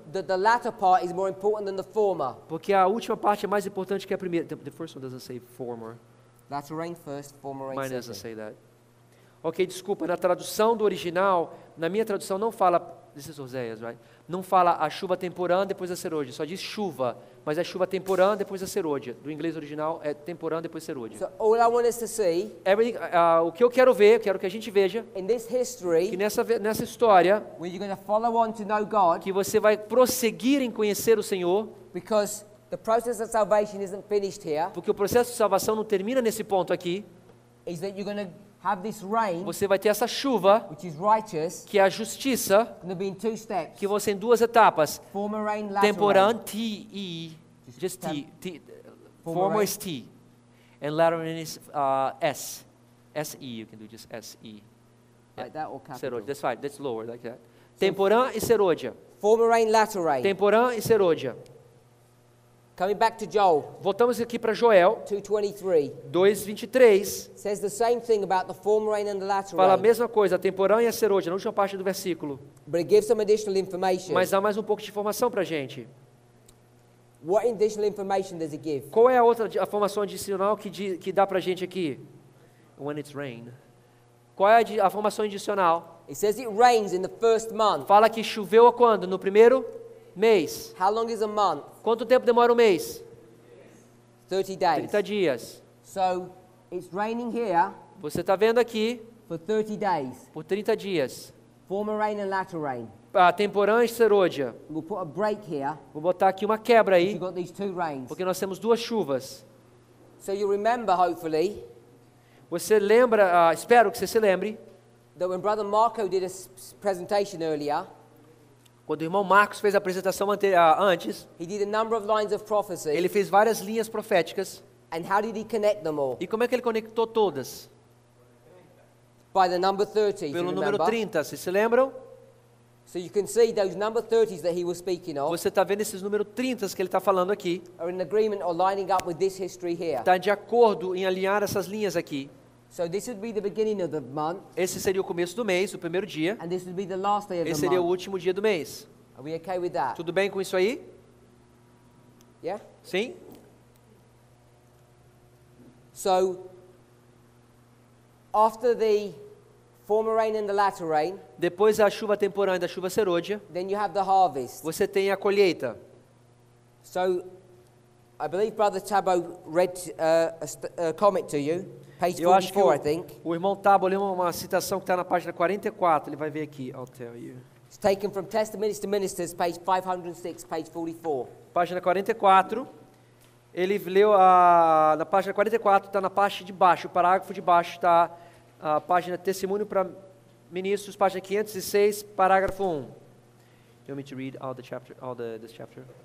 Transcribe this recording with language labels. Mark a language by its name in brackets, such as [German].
[English] that the latter part is more important than the former. [Portuguese] Porque a última parte é mais importante que a primeira. [English] The first one doesn't say former. Latter rain first, former rain second. Mine doesn't say that. [Portuguese] Ok, desculpa, na tradução do original, na minha tradução não fala, [English] this is Hosea's, right? [Portuguese] Não fala a chuva temporã depois a serôdia, só diz chuva, mas é chuva temporã depois a serôdia. Do inglês original é temporã depois serôdia. [English] So all I want us to see, [Portuguese] o que eu quero ver, quero que a gente veja, [English] in this history, [Portuguese] que nessa história, [English] where you're going to follow on to know God, [Portuguese] que você vai prosseguir em conhecer o Senhor, [English] because the process of salvation isn't finished here, [Portuguese] porque o processo de salvação não termina nesse ponto aqui, [English] is that you're going to have this rain, [Portuguese] você vai ter essa chuva, [English] which is righteous, [Portuguese] que é a justiça, [English] gonna be in two steps, [Portuguese] que você em duas etapas, [English] former rain, latter [Portuguese] temporã, [English] rain. T-E, just T, former is T, and latter rain is S, S-E, you can do just S-E, yeah. Like that or capital? Serôdia. That's fine, that's lower, like that. So temporã e serôdia. Former rain, latter rain. [Portuguese] Temporã e serôdia. [English] Coming back to Joel. [Portuguese] Voltamos aqui para Joel. 2:23. [English] Says the same thing about the former rain and the latter rain. [Portuguese] Fala a mesma coisa, a temporã e a serôdia, na última parte do versículo. [English] But it gives some additional information. [Portuguese] Mas dá mais um pouco de informação para a gente. [English] What additional information does it give? [Portuguese] Qual é a outra informação adicional que dá para a gente aqui? [English] When it's rain. [Portuguese] Qual é a informação adicional? [English] It says it rains in the first month. [Portuguese] Fala que choveu quando? No primeiro mês. [English] How long is a month? [Portuguese] Quanto tempo demora um mês? [English] 30 days. [Portuguese] 30 dias. [English] So, it's raining here. [Portuguese] Você está vendo aqui. [English] For 30 days. [Portuguese] Por 30 dias. [English] Former rain and latter rain. [Portuguese] A temporã e serôdia. [English] We'll put a break here. [Portuguese] Vou botar aqui uma quebra aí. [English] You've got these two rains. [Portuguese] Porque nós temos duas chuvas. [English] So you remember, hopefully. [Portuguese] Você lembra, espero que você se lembre. [English] that when Brother Marco did a presentation earlier, [Portuguese] quando o irmão Marcos fez a apresentação antes, [English] he did a number of lines of prophecy, [Portuguese] ele fez várias linhas proféticas. [English] And how did he connect them all? [Portuguese] E como é que ele conectou todas? [English] By the number 30, [Portuguese] pelo número 30, vocês se lembram? [English] So you can see those number 30s that he was speaking of. [Portuguese] Você está vendo esses números 30 que ele está falando aqui? [English] Are in agreement or lining up with this history here. [Portuguese] Tá de acordo em alinhar essas linhas aqui. [English] So this would be the beginning of the month. [Portuguese] Esse seria o começo do mês, o primeiro dia. [English] And this would be the last day of the month. [Portuguese] Esse seria o último dia do mês. [English] Are we okay with that? [Portuguese] Tudo bem com isso aí? [English] Yeah? [Portuguese] Sim? [English] So after the former rain and the latter rain, [Portuguese] depois da chuva temporária, da chuva serôdia, [English] then you have the harvest. [Portuguese] Você tem a colheita. [English] So I believe Brother Tabo read a comment to you. Page 44, I think. [Portuguese] O irmão Tabo leu uma citação que está na página 44. Ele vai ver aqui. [English] I'll tell you. It's taken from Testimonies to Ministers, page 506, page 44. [Portuguese] Página 44. Ele leu na página 44, está na parte de baixo. O parágrafo de baixo está a página Testemunho para Ministros, página 506, parágrafo 1. [English] You want me to read all the chapter, all the, this chapter?